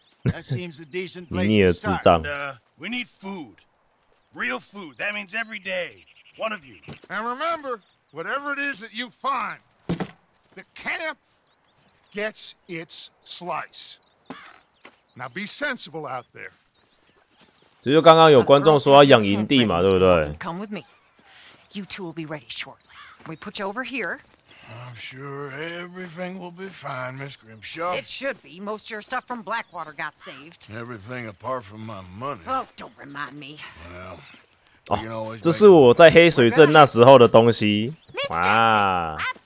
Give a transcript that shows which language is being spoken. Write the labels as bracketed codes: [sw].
[en] That seems a decent place to start. We need food. Real food. That means every day. One of you. And remember, whatever it is that you find, the camp gets its slice. Now be sensible out there. [zh] 这就刚刚有观众说要养营地嘛，对不对？ [en] Come with me. You two will be ready shortly. We put you over here. I'm sure everything will be fine, Miss Grimshaw. It should be. Most of your stuff from Blackwater got saved. Everything apart from my money. Oh, don't remind me. Well, [zh] 这是我在黑水镇那时候的东西。哇！